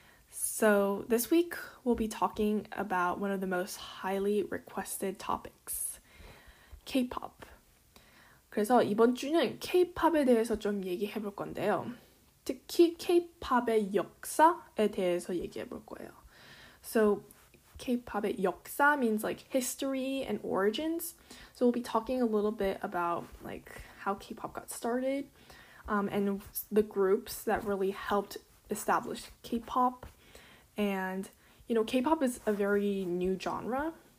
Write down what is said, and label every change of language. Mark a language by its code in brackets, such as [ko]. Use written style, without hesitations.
[en] So this week we'll be talking about one of the most highly requested topics, K-pop. [ko] 그래서 이번 주는 K-pop에 대해서 좀 얘기해 볼 건데요. 특히 K-pop의 역사에 대해서 얘기해 볼 거예요. [en] So K-pop의 역사 means like history and origins. So we'll be talking a little bit about like how K-pop got started. And the groups that really helped establish K-pop. And, K-pop is a very new genre.